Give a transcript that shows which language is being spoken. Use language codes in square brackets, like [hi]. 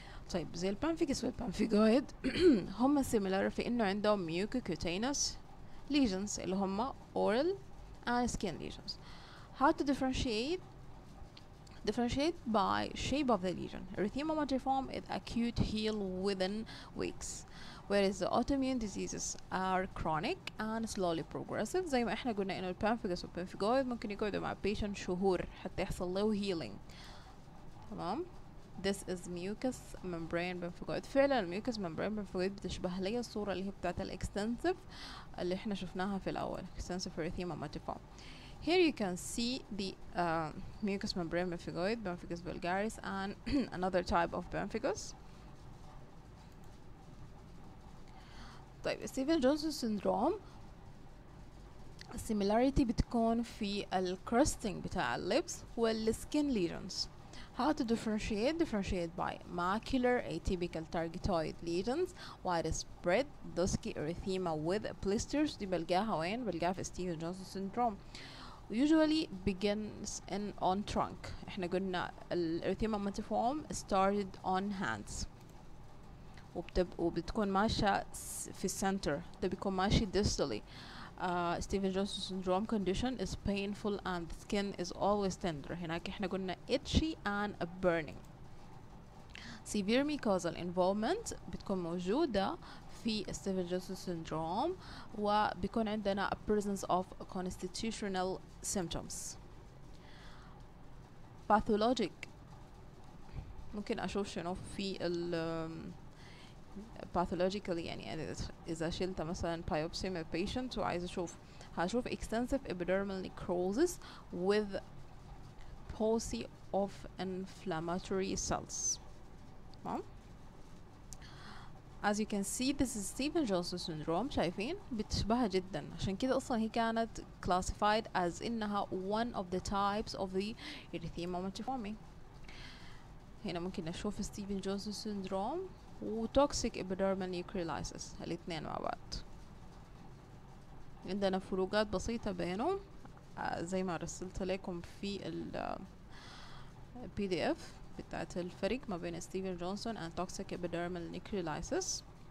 [ar] طيب زي البانفيكس والبانفيكويد هم similar في إنه عندهم mucocutaneous lesions اللي هم [en] oral and skin lesions. How to differentiate? Differentiate by shape of the lesion. Erythema multiforme is acute, heal within weeks. Whereas the autoimmune diseases are chronic and slowly progressive. [ar] زي ما احنا قلنا انه البانفيكس والبانفيكويد ممكن يقعدوا مع patient شهور حتى يحصل له healing. تمام؟ [en] This is mucous membrane pemphigoid. [ar] فعلا mucous membrane pemphigoid بتشبه لي الصورة اللي هي بتاعت الاكستنسف اللي احنا شفناها في الاول. [en] Extensive erythema multiforme. Here you can see the mucous membrane pemphigoid, pemphigus vulgaris and another type of pemphigus. [ar] طيب ستيفن جونسون سيندروم السيميلاريتي بتكون في الكروستنج بتاع الليبس والسكين ليجنز. [en] How to differentiate? Differentiate by macular atypical targetoid lesions, widespread dusky erythema with blisters. [ar] دي بلقاها وين؟ بلقاها في ستيفن جونسون سيندروم. [en] Usually begins in on trunk. [ar] احنا قلنا الارثيما متفورم [en] started on hands [ar] وبتكون ماشية في السنتر, ده بيكون ماشي distally. [en] Stephen Johnson syndrome condition is painful and the skin is always tender. [ar] هناك احنا قلنا [en] itchy and a burning. Severe mucosal involvement [ar] بتكون موجودة في [en] Stephen Johnson syndrome [ar] وبيكون عندنا [en] a presence of constitutional symptoms. [ar] Pathologic ممكن أشوف شنو في ال pathologically, يعني إذا شلت مثلا biopsy من patient وعايز أشوف, هشوف [en] extensive epidermal necrosis with palsy of inflammatory cells. As you can see this is Stephen Johnson syndrome, [ar] شايفين بتشبه جدا, عشان كده أصلا هي كانت [en] classified as [ar] إنها [en] one of the types of the erythema multiforme. [ar] هنا ممكن نشوف Stephen Johnson syndrome و toxic epidermal necrolysis الاثنين مع بعض. عندنا فروقات بسيطة بينهم زي ما رسلت لكم في ال PDF بتاعت الفريق ما بين ستيفن جونسون [en] and toxic epidermal necrolysis.